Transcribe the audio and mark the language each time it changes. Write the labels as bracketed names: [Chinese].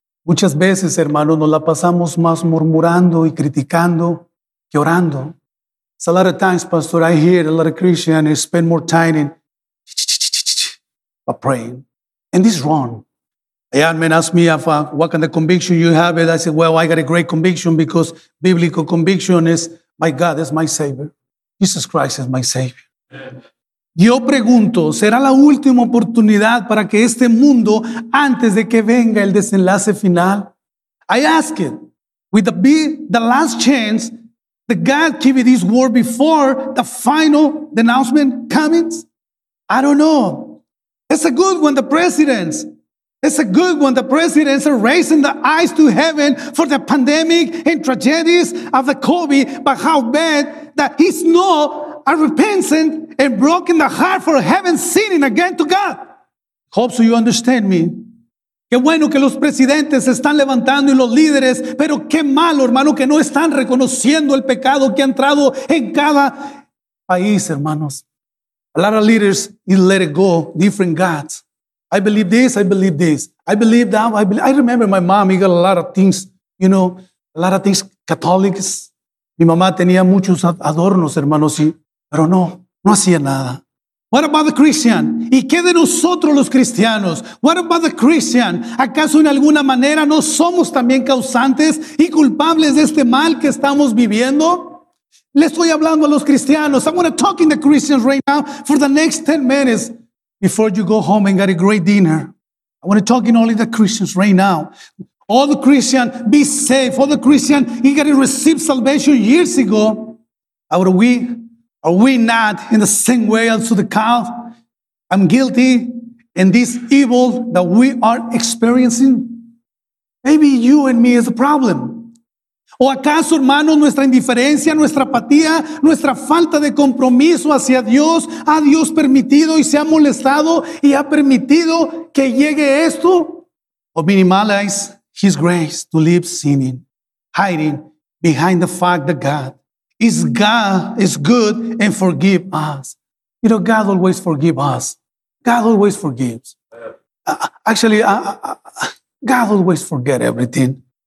[Spanish] Muchas veces, hermano, nos la pasamos más murmurando y criticando que orando. [English] It's a lot of times, Pastor, I hear a lot of Christians spend more time in but praying. And this is wrong. A young man asked me what kind of conviction you have. And I said, well, I got a great conviction, because biblical conviction is my God is my Savior. Jesus Christ is my Savior. Amen. [Spanish] Yo pregunto, ¿será la última oportunidad para que este mundo, antes de que venga el desenlace final? [English] I ask it, would it be the last chance that God give you this word before the final announcement comes? I don't know. It's a good one, the presidents are raising the eyes to heaven for the pandemic and tragedies of the COVID, but how bad that he's not a repentant and broken the heart for heaven sinning again to God. Hope so you understand me. [Spanish] Qué bueno que los presidentes se están levantando y los líderes, pero qué malo, hermano, que no están reconociendo el pecado que ha entrado en cada país, hermanos. [English] A lot of leaders let it go, different gods. I believe this, I believe this. I believe that, I remember my mom, he got a lot of things, you know, a lot of things, Catholics. [Spanish] Mi mamá tenía muchos adornos, hermanos, y pero no, no hacía nada. [English] What about the Christian? [Spanish] ¿Y qué de nosotros los cristianos? [English] What about the Christian? [Spanish] ¿Acaso en alguna manera no somos también causantes y culpables de este mal que estamos viviendo? Le estoy hablando a los cristianos. [English] I'm going to talk in the Christians right now for the next 10 minutes before you go home and get a great dinner. I want to talk in only the Christians right now. All the Christians, be safe. All the Christians, he got to receive salvation years ago. Are we not in the same way as to the calf? I'm guilty in this evil that we are experiencing. Maybe you and me is the problem. [Spanish] ¿O acaso, hermanos, nuestra indiferencia, nuestra apatía, nuestra falta de compromiso hacia Dios, ha Dios permitido y se ha molestado y ha permitido que llegue esto? [English] Or minimize his grace to live sinning, hiding behind the fact that God is God, is good, and forgive us. You know, God always forgives us. God always forgives. God always forget everything.